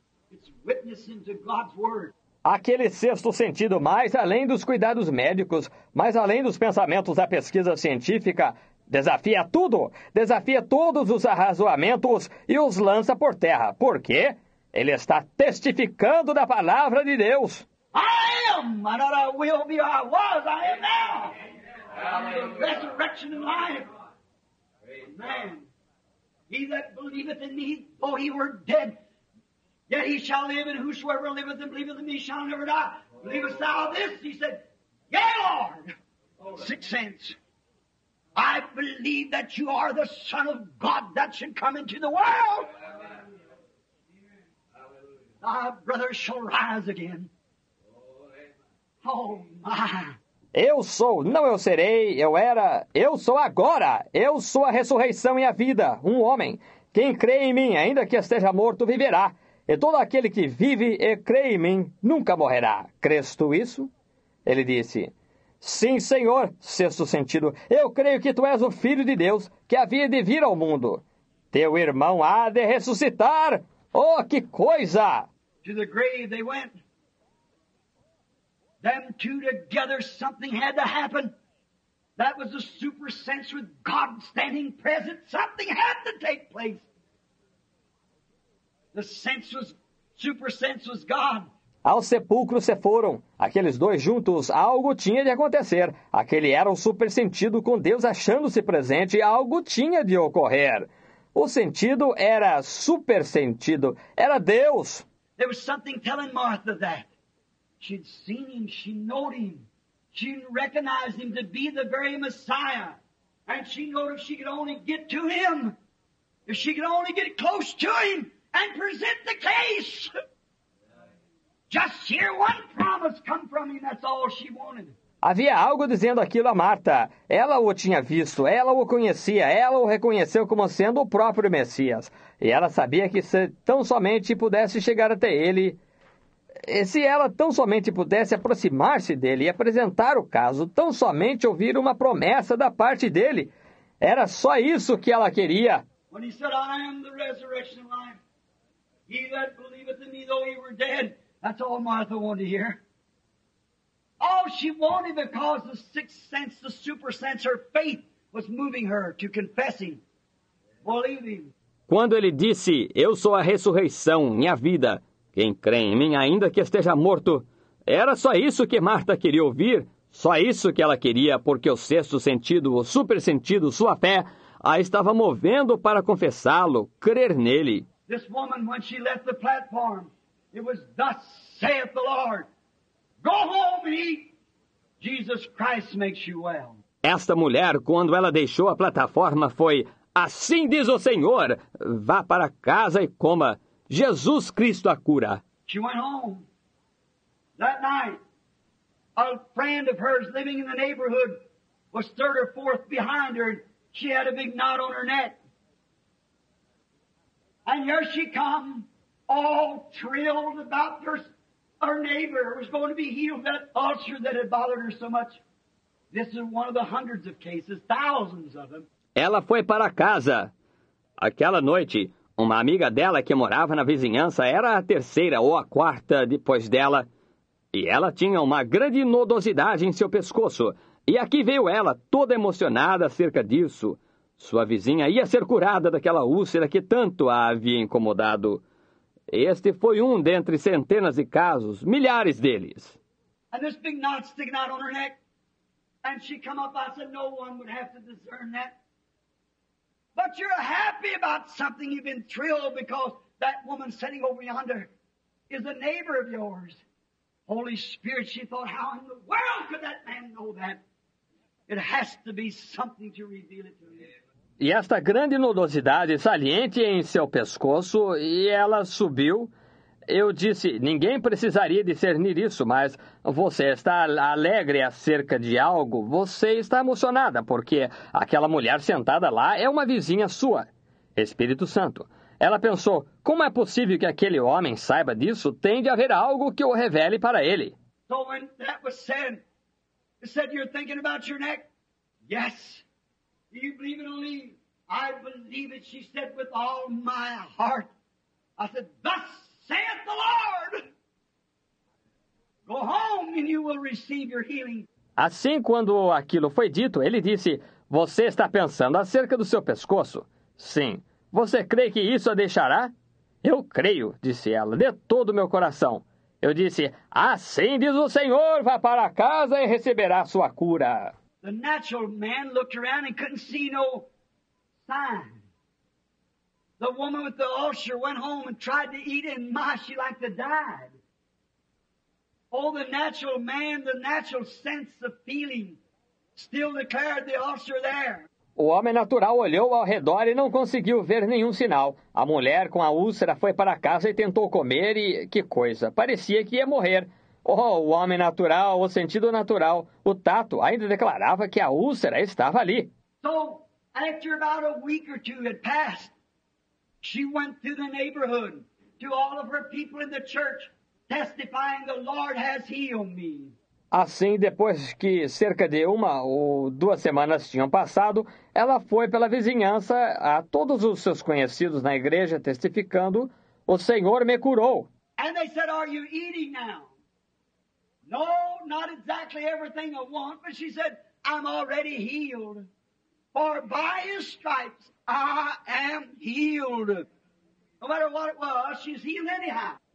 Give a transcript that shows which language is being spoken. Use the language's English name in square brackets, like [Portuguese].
[English] It's witnessing to God's word. [Portuguese] Aquele sexto sentido, mais além dos cuidados médicos, mais além dos pensamentos da pesquisa científica, desafia tudo, desafia todos os arrazoamentos e os lança por terra. Por quê? Ele está testificando da palavra de Deus. [English] I am, and not I will be, I was, I am now. Amen. I'm the resurrection and life. Amen. He that believeth in me, though he were dead, yet he shall live, and whosoever liveth and believeth in me shall never die. Believest thou this? He said, Yea, Lord. Sixth sense. I believe that you are the Son of God that should come into the world. Thy brother shall rise again. Oh, my. [Portuguese] Eu sou, não eu serei, eu era, eu sou agora. Eu sou a ressurreição e a vida, um homem. Quem crê em mim, ainda que esteja morto, viverá. E todo aquele que vive e crê em mim nunca morrerá. Crês tu isso? Ele disse, Sim, Senhor, sexto sentido. Eu creio que tu és o Filho de Deus, que havia de vir ao mundo. Teu irmão há de ressuscitar. Oh, que coisa! [English] To the grave they went. Them two together, something had to happen. That was a super sense with God standing present. Something had to take place. The sense was, super sense was God. [Portuguese] Ao sepulcro se foram. Aqueles dois juntos, algo tinha de acontecer. Aquele era o super sentido com Deus achando-se presente. Algo tinha de ocorrer. O sentido era super sentido. Era Deus. [English] There was something telling Martha that. She'd seen him. She knew him. She recognized him to be the very Messiah. And she knew if she could only get to him, if she could only get close to him, and present the case. Just hear one promise come from him. That's all she wanted. [Portuguese] Havia algo dizendo aquilo a Marta. Ela o tinha visto. Ela o conhecia. Ela o reconheceu como sendo o próprio Messias. E ela sabia que se tão somente pudesse chegar até ele, e se ela tão somente pudesse aproximar-se dele e apresentar o caso, tão somente ouvir uma promessa da parte dele, era só isso que ela queria. [English] When he said, I am the resurrection and life. He that believeth in me, though he were dead. That's all Martha wanted to hear. All she wanted because the sixth sense, the super sense, her faith was moving her to confess him, believe him. [Portuguese] Quando ele disse, eu sou a ressurreição e a vida, quem crê em mim ainda que esteja morto, era só isso que Martha queria ouvir, só isso que ela queria, porque o sexto sentido, o super sentido, sua fé, a estava movendo para confessá-lo, crer nele. [English] This woman, when she left the platform, it was thus saith the Lord, go home and eat. Jesus Christ makes you well. [Portuguese] Esta mulher, quando ela deixou a plataforma, foi, assim diz o Senhor, vá para casa e coma. Jesus Cristo a cura. [English] She went home. That night, a friend of hers living in the neighborhood was third or fourth behind her. She had a big knot on her neck. And here she come, all thrilled about her neighbor who was going to be healed, that ulcer that had bothered her so much. This is one of the hundreds of cases, thousands of them. [Portuguese] Ela foi para casa. Aquela noite, uma amiga dela que morava na vizinhança era a terceira ou a quarta depois dela. E ela tinha uma grande nodosidade em seu pescoço. E aqui veio ela, toda emocionada acerca disso. Sua vizinha ia ser curada daquela úlcera que tanto a havia incomodado. Este foi um dentre centenas de casos, milhares deles. [English] And this big knot sticking out on her neck. And she come up, I said, no one would have to discern that. But you're happy about something, you've been thrilled because that woman sitting over yonder is a neighbor of yours. Holy Spirit, she thought, how in the world could that man know that? It has to be something to reveal it to him. [Portuguese] E esta grande nodosidade saliente em seu pescoço, e ela subiu. Eu disse, ninguém precisaria discernir isso, mas você está alegre acerca de algo. Você está emocionada, porque aquela mulher sentada lá é uma vizinha sua, Espírito Santo. Ela pensou, como é possível que aquele homem saiba disso? Tem de haver algo que o revele para ele. [English] So when that was said, it said you're thinking about your neck? Yes. Do you believe it or leave? I believe it, she said, with all my heart. I said, thus saith the Lord. Go home and you will receive your healing. [Portuguese] Assim, quando aquilo foi dito, ele disse, você está pensando acerca do seu pescoço? Sim. Você crê que isso a deixará? Eu creio, disse ela, de todo o meu coração. Eu disse, assim diz o Senhor, vá para casa e receberá sua cura. [English] The natural man looked around and couldn't see no sign. The woman with the ulcer went home and tried to eat, and my, she liked to die. Oh, the natural man, the natural sense of feeling still declared the ulcer there. [Portuguese] O homem natural olhou ao redor e não conseguiu ver nenhum sinal. A mulher com a úlcera foi para casa e tentou comer e, que coisa, parecia que ia morrer. Oh, o homem natural, o sentido natural, o tato ainda declarava que a úlcera estava ali. [English] So, after about a week or two had passed, she went to the neighborhood, to all of her people in the church, testifying the Lord has healed me. [Portuguese] Assim, depois que cerca de uma ou duas semanas tinham passado, ela foi pela vizinhança a todos os seus conhecidos na igreja, testificando, o Senhor me curou. [English] And they said, are you eating now? No, not exactly everything I want, but she said, I'm already healed. For by his stripes I am healed. No matter what it was, she's healed anyhow.